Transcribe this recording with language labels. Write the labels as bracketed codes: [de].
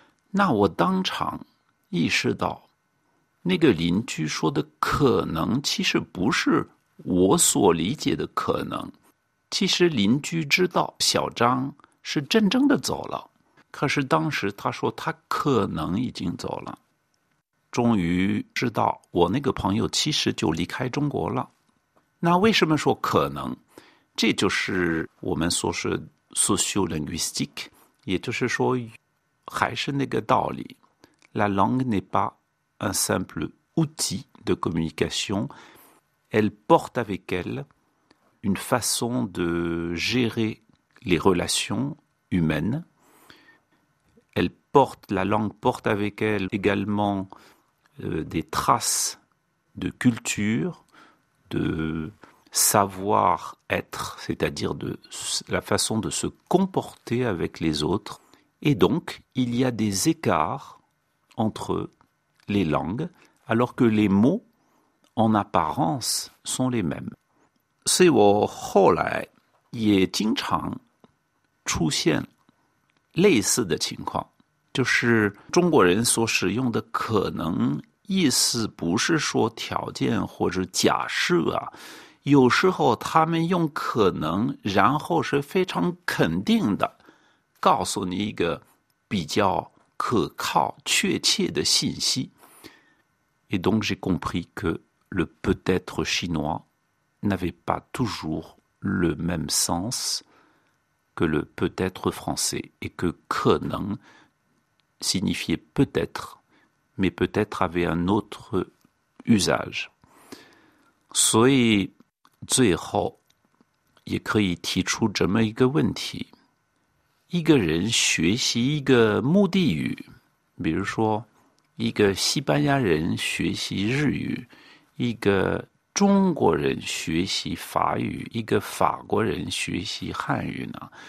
[zh] 那我当场意识到，那个邻居说的可能其实不是我所理解的可能，其实邻居知道小张是真正的走了，可是当时他说他可能已经走了。终于知道我那个朋友其实就离开中国了。那为什么说可能？这就是我们所说 sociolinguistique， 也就是说还是那个道理， [fr] La langue n'est pas un simple outil de communication. Elle porte avec elle une façon de gérer les relations humaines. Elle porte, la langue porte avec elle également des traces de culture, de savoir-être, c'est-à-dire de la façon de se comporter avec les autres. Et donc, il y a des écarts entre les langues, alors que les mots, en apparence, sont les mêmes. [zh] 所以我后来也经常出现类似的情况，就是中国人所使用的可能意思不是说条件或者假设啊，有时候他们用可能，然后是非常肯定的告诉你一个比较可靠确切的信息。 [fr] Et donc j'ai compris que le peut-être chinois n'avait pas toujours le même sens que le peut-être français et que 可能 signifiait peut-être mais peut-être avait un autre usage. [zh] 所以最后也可以提出这么一个问题，一个人学习一个目的语，比如说一个西班牙人学习日语，一个中国人学习法语，一个法国人学习汉语呢，